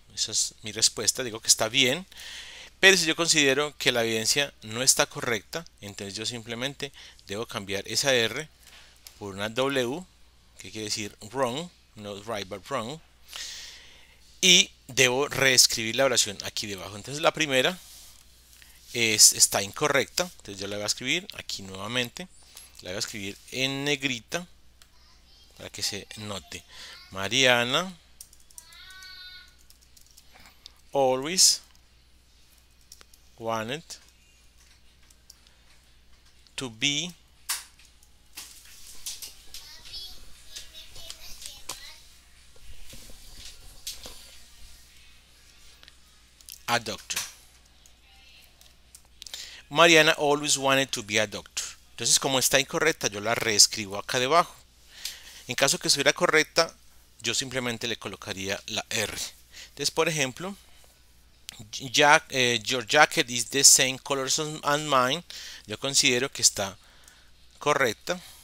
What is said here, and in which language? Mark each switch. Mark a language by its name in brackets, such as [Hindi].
[Spanish] Esa es mi respuesta. Digo que está bien. Pero si yo considero que la evidencia no está correcta, entonces yo simplemente debo cambiar esa R por una W, que quiere decir [English] wrong, not right, but wrong. [Spanish] Y debo reescribir la oración aquí debajo. Entonces la primera está incorrecta. Entonces yo la voy a escribir aquí nuevamente. La voy a escribir en negrita, para que se note. [English] Mariana always wanted to be a doctor. Mariana always wanted to be a doctor. [Spanish] Entonces, como está incorrecta, yo la reescribo acá debajo. En caso que estuviera correcta, yo simplemente le colocaría la R. Entonces, por ejemplo, [English] your jacket is the same color as mine. [Spanish] Yo considero que está correcta.